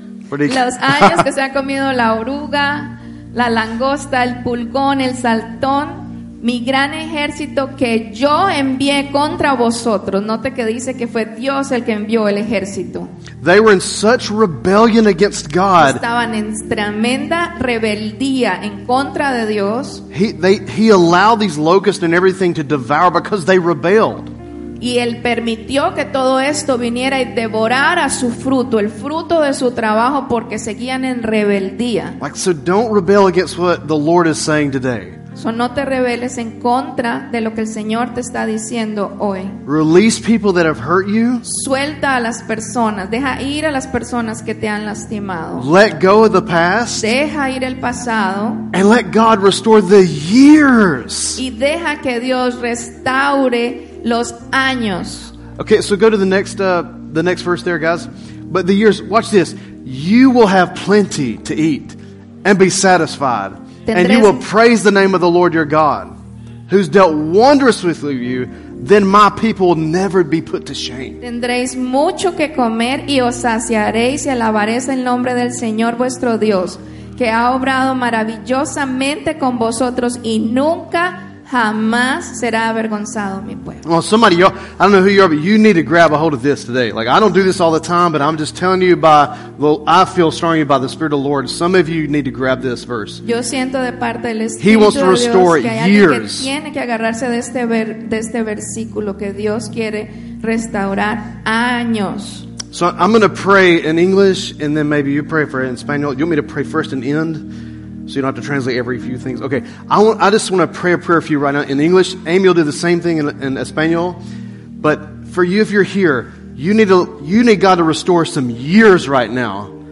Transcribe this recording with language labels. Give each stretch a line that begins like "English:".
Spanish: Los años que se ha comido la oruga, la langosta, el pulgón, el saltón, mi gran ejército que yo envié contra vosotros. Note que dice que fue Dios el que envió el ejército.
English: They were in such rebellion against God.
Spanish: Estaban en tremenda rebeldía en contra de Dios.
English: He allowed these locusts and everything to devour because they rebelled.
Spanish: Y él permitió que todo esto viniera y devorara su fruto, el fruto de su trabajo, porque seguían en rebeldía.
English: Like, so don't rebel against what the Lord is saying today.
Spanish: So no te rebeles en contra de lo que el Señor te está diciendo hoy.
English: Release people that have hurt you.
Spanish: Suelta a las personas. Deja ir a las personas que te han lastimado.
English: Let go of the past.
Spanish: Deja ir el pasado.
English: And let God restore the years.
Spanish: Y deja que Dios restaure los años.
English: Okay, so go to the next verse there, guys. But the years, watch this. you will have plenty to eat and be satisfied. And you will praise the name of the Lord your God, who's dealt wondrous with you, then my people will never be put to shame.
Spanish: Tendréis mucho que comer y os saciaréis y alabaréis el nombre del Señor vuestro Dios, que ha obrado maravillosamente con vosotros y nunca jamás será avergonzado mi pueblo.
English: Well, somebody, y'all, I don't know who you are, but you need to grab a hold of this today. Like, I don't do this all the time, but I'm just telling you by, well, I feel strongly by the Spirit of the Lord. Some of you need to grab this verse.
Spanish: Yo siento de parte del Espíritu
English: He wants to restore
Spanish: Dios, que
English: years.
Spanish: Que tiene que agarrarse de este versículo que Dios quiere restaurar años.
English: So I'm going to pray in English, and then maybe you pray for it in Spanish. You want me to pray first and end? So you don't have to translate every few things. Okay, I just want to pray a prayer for you right now in English. Amy will do the same thing in Espanol. But for you, if you're here, you need God to restore some years right now.